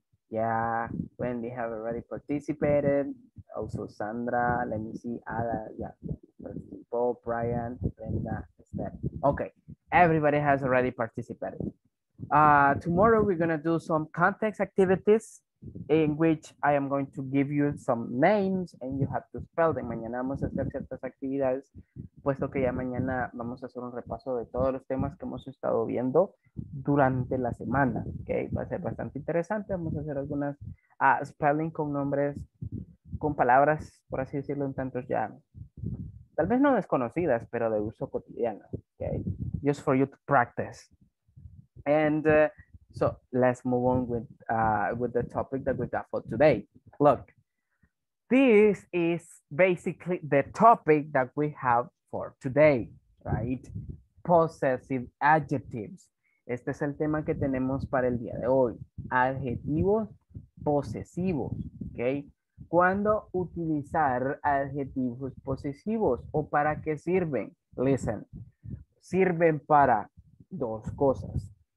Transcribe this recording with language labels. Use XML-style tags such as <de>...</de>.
<en>Yeah, Wendy have already participated. Also Sandra, let me see, Ada, yeah. Paul, Brian, Brenda, Steph. Okay, everybody has already participated. Tomorrow we're gonna do some context activities in which I am going to give you some names and you have to spell them.</en> <es>Mañana vamos a hacer ciertas actividades, puesto que ya mañana vamos a hacer un repaso de todos los temas que hemos estado viendo durante la semana. Okay, va a ser bastante interesante. Vamos a hacer algunas spelling con nombres, con palabras, por así decirlo, en tantos ya. Tal vez no desconocidas, pero de uso cotidiano.</es> <en>Okay, just for you to practice. And so let's move on with the topic that we got for today. Look, this is basically the topic that we have for today, right? Possessive adjectives.</en> <es>Este es el tema que tenemos para el día de hoy. Adjetivos posesivos, okay? ¿Cuándo utilizar adjetivos posesivos o para qué sirven?</es> <en>Listen,</en> <es>sirven para dos cosas.</es>